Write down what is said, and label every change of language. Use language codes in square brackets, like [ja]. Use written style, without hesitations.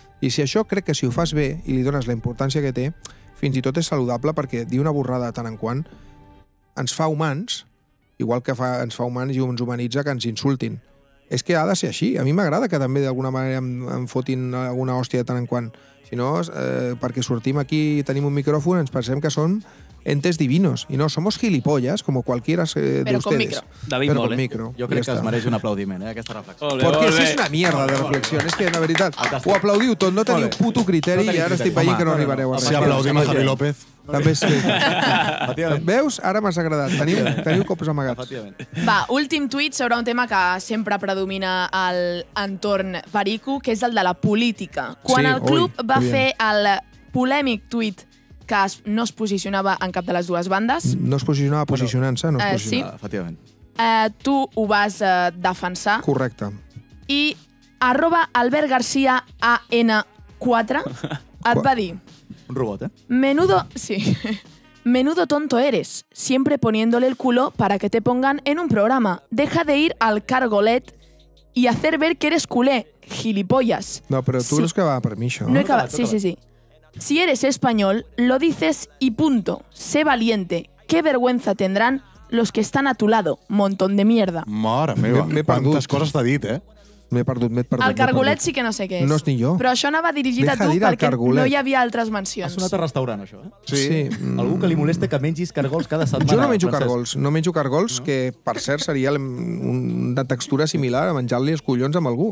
[ca] I si això crec que si ho fas bé i li dones la importància que té, fins i tot és saludable perquè dir una borrada tant en quant ens fa humans, igual que ens fa humans i ens humanitza que ens insultin. És que ha de ser així. A mi m'agrada que també d'alguna manera em fotin alguna hòstia tant en quant. Si no, perquè sortim aquí i tenim un micròfon, ens pensem que som [es] entes divinos. I no, somos gilipollas, como cualquiera de ustedes. Pero con micro. [ca] Jo crec que es mereix un aplaudiment, aquesta reflexió. [es] Porque eso es una mierda de reflexió. [ca] És que, de veritat, ho aplaudiu tot. No teniu puto criteri i ara estic veient que no arribareu a res. Si aplaudim a Javi López. També sí. Veus? Ara m'has agradat. Teniu cops amagats. Va, últim tuit sobre un tema que sempre predomina l'entorn perico, que és el de la política. Quan el club va fer el polèmic tuit que no es posicionava en cap de les dues bandes... No es posicionava posicionant-se, no es posicionava. Efectivament. Tu ho vas defensar. Correcte. I @AlbertGarciaAN4 et va dir... Un robot, eh? [es] Menudo... Sí. Menudo tonto eres, siempre poniéndole el culo para que te pongan en un programa. Deja de ir al cargolet y hacer ver que eres culé, gilipollas. [ca] No, però tu no és que va per mi, això. No he acabat, sí, sí, sí. [es] Si eres español, lo dices y punto. Sé valiente. Qué vergüenza tendrán los que están a tu lado. Montón de mierda. [ca] Mare meva, quantes coses t'ha dit, eh? M'he perdut. El cargolet sí que no sé què és. No és ni jo. Però això anava dirigit a tu perquè cargolet. No hi havia altres mencions. Ha sonat a restaurant, això. Eh? Sí. Algú que li molesta que mengis cargols cada setmana. Jo no menjo cargols. No menjo cargols, no? Que, per cert, seria una textura similar a menjar-li els collons amb algú.